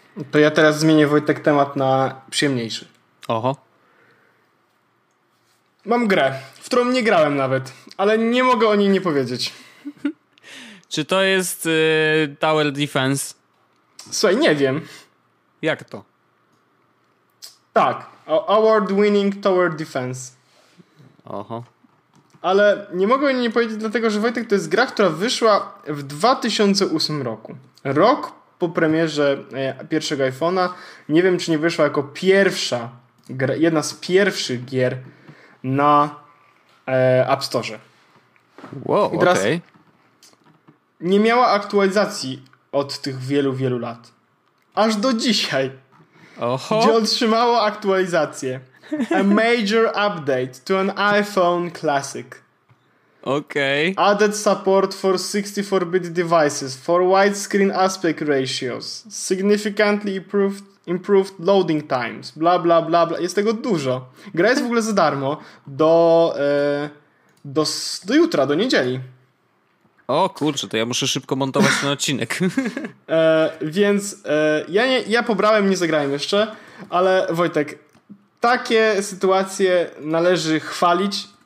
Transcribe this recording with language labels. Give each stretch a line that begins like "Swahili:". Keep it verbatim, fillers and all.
Polish: To ja teraz zmienię, Wojtek, temat na przyjemniejszy. Oho. Mam grę, w którą nie grałem nawet, ale nie mogę o niej nie powiedzieć. Czy to jest yy, Tower Defense? Słuchaj, nie wiem. Jak to? Tak.
English: Award-winning Tower Defense.
Polish: Oho. Ale nie mogę nie powiedzieć, dlatego że Wojtek, to jest gra, która wyszła w dwa tysiące ósmym roku. Rok po premierze pierwszego iPhone'a. Nie wiem, czy nie wyszła jako pierwsza gra, jedna z pierwszych gier na e, App Store. Wow, okej. Nie miała aktualizacji od tych wielu, wielu lat. Aż do dzisiaj. Oho. Gdzie otrzymało aktualizację.
English: A major update to an iPhone Classic.
Polish: Okej.
English: Okay. Added support for sixty-four bit devices, for widescreen aspect ratios, significantly improved, improved loading times, bla, bla, bla, bla.
Polish: Jest tego dużo. Gra jest w ogóle za darmo do, e, do, do jutra, do niedzieli. O kurczę, to ja muszę szybko montować ten odcinek. e, więc e, ja, nie, ja pobrałem, nie zagrałem jeszcze, ale Wojtek, takie sytuacje należy chwalić.